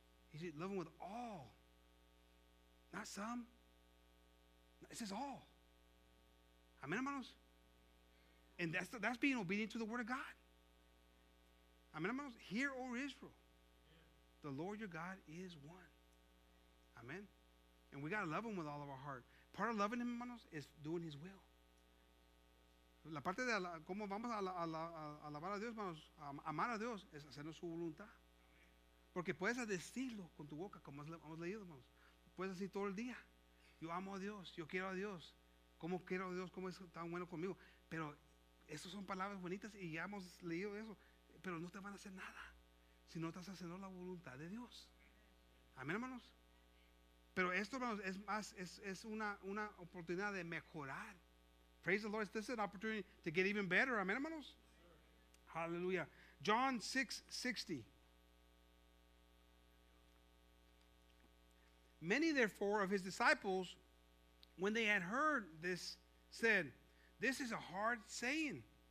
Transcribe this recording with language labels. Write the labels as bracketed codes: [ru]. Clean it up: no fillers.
[en] He said, love him with all, not some. It says all. Amen, hermanos? And that's being obedient to the word of God. Amen, hermanos? Hear, O Israel, the Lord your God is one. Amen. And we got to love him with all of our heart. Part of loving him, hermanos, is doing his will. [es] La parte de cómo vamos a alabar a Dios, hermanos, amar a Dios, es hacernos su voluntad. Porque puedes decirlo con tu boca, como hemos leído, hermanos. Puedes decir todo el día, yo amo a Dios, yo quiero a Dios. ¿Cómo quiero a Dios? ¿Cómo es tan bueno conmigo? Pero esas son palabras bonitas y ya hemos leído eso. Pero no te van a hacer nada si no estás haciendo la voluntad de Dios. Amén, hermanos. Pero esto, hermanos, es más, es una oportunidad de mejorar. [en] Praise the Lord. This is an opportunity to get even better. Amen, hermanos. Yes, hallelujah. John 6:60. Many, therefore, of his disciples, when they had heard this, said, this is a hard saying.